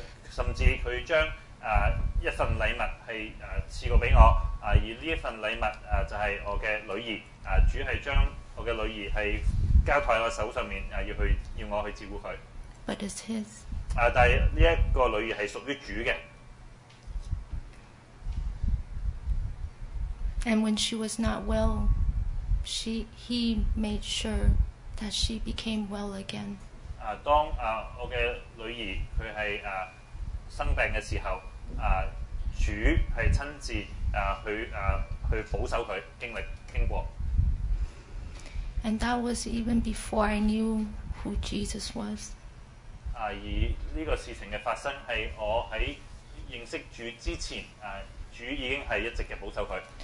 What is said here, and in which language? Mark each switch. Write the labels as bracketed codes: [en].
[yue] 甚至佢將一份禮物係賜過俾我，而呢一份禮物就係我嘅女兒。主係將我嘅女兒係交託喺我手上面，要我去照顧佢。 [en] But it's His. [yue] 但係呢一個女兒係屬於主嘅。 [en] And when she was not well, he made sure that she became well again. [yue] 当我嘅女儿佢系生病嘅时候，主系亲自去保守佢经过。 [en] And that was even before I knew who Jesus was. [yue] 而呢个事情嘅发生系我喺认识主之前，主已经系一直嘅保守佢。